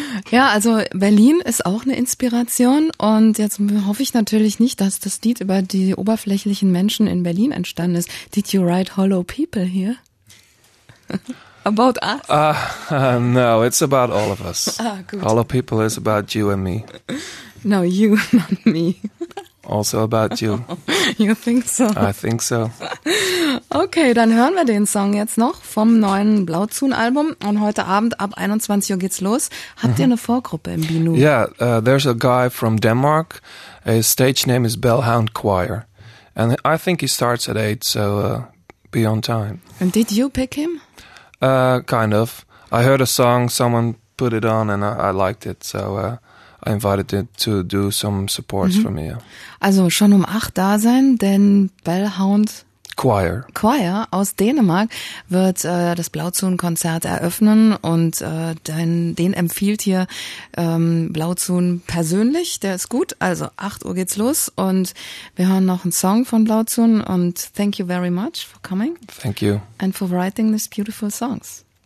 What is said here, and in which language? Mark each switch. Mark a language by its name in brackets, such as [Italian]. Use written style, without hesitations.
[German] Ja, also Berlin ist auch eine Inspiration, und jetzt hoffe ich natürlich nicht, dass das Lied über die oberflächlichen Menschen in Berlin entstanden ist. [English] Did you write hollow people here? About us? No, it's about all of us. [German] Gut. [English] Hollow people is about you and me. No, you, not me. Also about you. You think so? I think so. [German] Okay, dann hören wir den Song jetzt noch vom neuen Blauzun-Album. Und heute Abend ab 21 Uhr geht's los. Habt ihr eine Vorgruppe im Binu? [English] Yeah, there's a guy from Denmark. His stage name is Bellhound Choir. And I think he starts at 8, so be on time. And did you pick him? Kind of. I heard a song, someone put it on, and I liked it, so I invited it to do some supports for me. [German] Also schon um 8 da sein, denn Bellhound Choir aus Dänemark wird das Blauzun-Konzert eröffnen, und den empfiehlt hier Blauzun persönlich. Der ist gut. Also 8 Uhr geht's los und wir hören noch einen Song von Blauzun, und [English] thank you very much for coming. Thank you. And for writing these beautiful songs.